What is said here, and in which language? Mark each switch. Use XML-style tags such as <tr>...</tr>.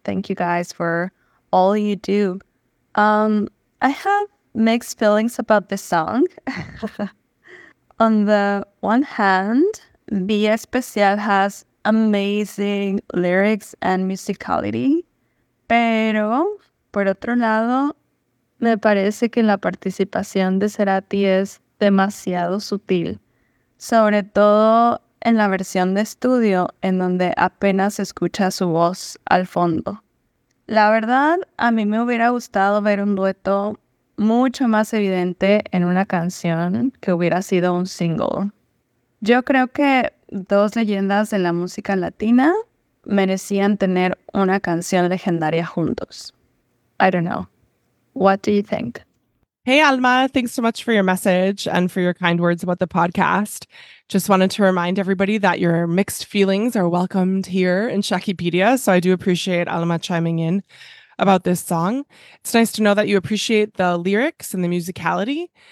<en>Thank you guys for all you do. I have mixed feelings about this song. On the one hand, Día Especial has amazing lyrics and musicality.</en> <es>Pero, por otro lado, me parece que la participación de Cerati es demasiado sutil. Sobre todo en la versión de estudio, en donde apenas se escucha su voz al fondo. La verdad, a mí me hubiera gustado ver un dueto mucho más evidente en una canción que hubiera sido un single. Yo creo que dos leyendas de la música latina merecían tener una canción legendaria juntos.</es> <en>I don't know. What do you think? Hey, Alma, thanks so much for your message and for your kind words about the podcast. Just wanted to remind everybody that your mixed feelings are welcomed here in Shakipedia. So I do appreciate Alma chiming in about this song. It's nice to know that you appreciate the lyrics and the musicality.</en>